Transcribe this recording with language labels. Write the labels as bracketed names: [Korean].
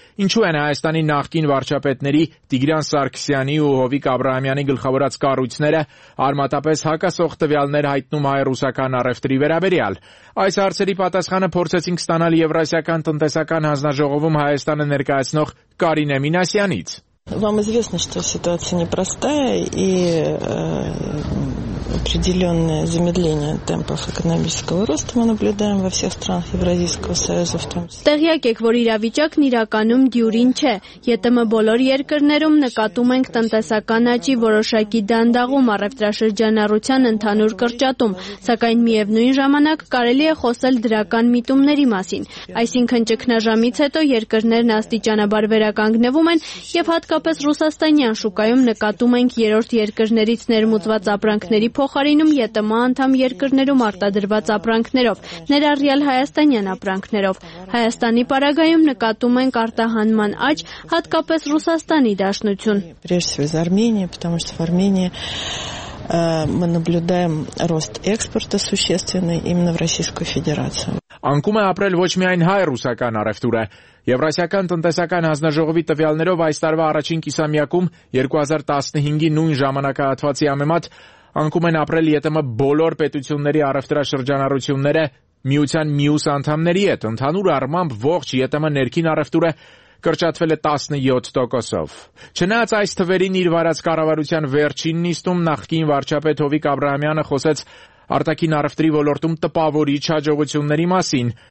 [Armenian] ինչու են Հայաստանի նախկին վարչապետների Տիգրան Սարգսյանի ու Հովիկ Աբրահամյանի գլխավորած կառույցները արմատապես հակասող տվյալներ հայտնում հայ-ռուսական առևտրի վերաբերյալ։ Այս հարցերի պատասխանը փորձեցինք ստանալ Եվրասիական տնտեսական հանձնաժողովում Հայաստանը ներկայացնող Կարինե Մինասյանից։ [Russian] Вам известно, что ситуация непростая и определенное замедление темпов экономического роста мы наблюдаем во всех странах Евразийского союза в том числе. [Armenian] Տեղյակ եք, որ իրավիճակն իրականում դյուրին չէ։ ԵՏՄ բոլոր երկրներում նկատում ենք տնտեսական աճի որոշակի դանդաղում, առևտրաշրջանառության ընդհանուր կրճատում, սակայն միևնույն ժամանակ կարելի է խոսել դրական միտումների մասին։ Այսինքն ճգնաժամից հետո երկրներն աստիճանաբար վերականգնվում են եւ հատկապես ռուսաստանյան շուկայում նկատում ենք երրորդ երկրներից ներմուծված ապրանքների փոխարինում ԵՏՄ անդամ երկրներում արտադրված ապրանքներով, ներառյալ հայաստանյան ապրանքներով։ Հայաստանի պարագայում նկատում ենք արտահանման աճ, հատկապես ռուսաստանի դաշնություն։ [Russian] Прежде всего Армения, потому что в Армении мы наблюдаем рост экспорта существенный именно в Российскую Федерацию. [Armenian] Անկում է ապրել ոչ միայն հայ-ռուսական առևտուրը։ Եվրասիական տնտեսական հանձնաժողովի տվյալներով այս տարվա առաջին կիսամյակում 2015-ի նույն ժամանակահատվածի համեմատ անկում են ապրել ԵՏՄ բոլոր պետությունների առևտրաշրջանառությունները միության մյուս անդամների հետ։ Ընդհանուր առմամբ ողջ ԵՏՄ ներքին առևտուրը կրճատվել է 17%-ով։ Չնայած այս թվերին իր վարած կառավարության վերջին նիստում նախկին վարչապետ Հովիկ Աբրահամյանը խոսեց արտաքին առևտրի ոլորտում տպավորիչ հաջողությունների մասին։